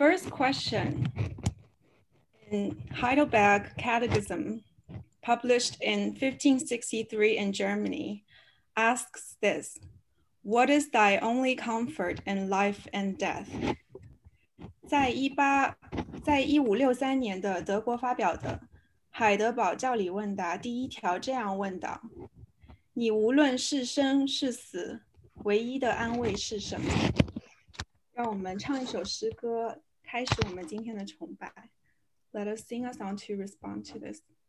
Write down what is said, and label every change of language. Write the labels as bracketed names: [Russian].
[English] Question in Heidelberg Catechism, published in 1563 in Germany, asks this: What is thy only comfort in life and death? [Chinese] 在1563年的德国发表的海德堡教理问答第一条这样问道：你无论是生是死，唯一的安慰是什么？让我们唱一首诗歌。开始我们今天的崇拜。 [English] Let us sing a song to respond to this.